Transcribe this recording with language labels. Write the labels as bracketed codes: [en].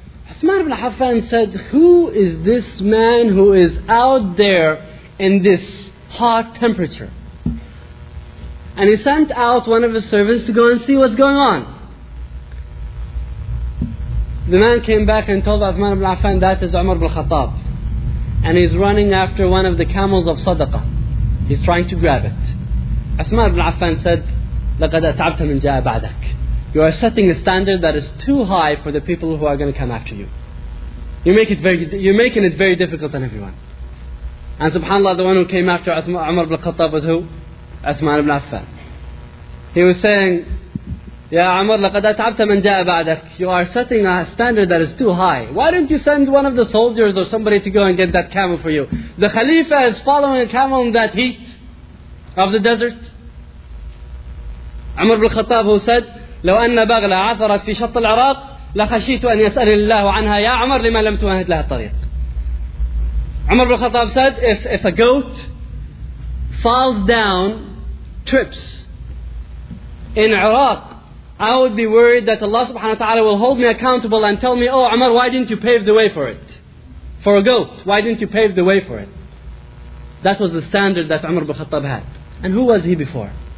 [en] Uthman ibn Affan said, who is this man who is out there in this hot temperature? And he sent out one of his servants to go and see what's going on. The man came back and told Uthman ibn Affan, that is Umar ibn Khattab. And he's running after one of the camels of Sadaqah. He's trying to grab it. Uthman ibn Affan said, [ar] لَقَدْ أَتْعَبْتَ مِنْ جَاءَ بَعْدَكَ. [en] You are setting a standard that is too high for the people who are going to come after you. You're making it very difficult on everyone. And subhanAllah, the one who came after Umar ibn Khattab was who? Uthman ibn Affan. He was saying, Ya Umar, [ar] لقد أتعبت من جاء بعدك. [en] You are setting a standard that is too high. Why don't you send one of the soldiers or somebody to go and get that camel for you? The Khalifa is following a camel in that heat of the desert. Umar ibn Khattab, who said, [ar] لو أن بغلة عثرت في شط العراق لخشيت أن يسأل الله عنها يا عمر لما لم تمهد لها الطريق. [en] عمر بن الخطاب said, if a goat falls down, trips in Iraq, I would be worried that Allah subhanahu wa ta'ala will hold me accountable and tell me, oh Umar, why didn't you pave the way for it? For a goat, why didn't you pave the way for it? That was the standard that Umar bin Khattab had. And who was he before?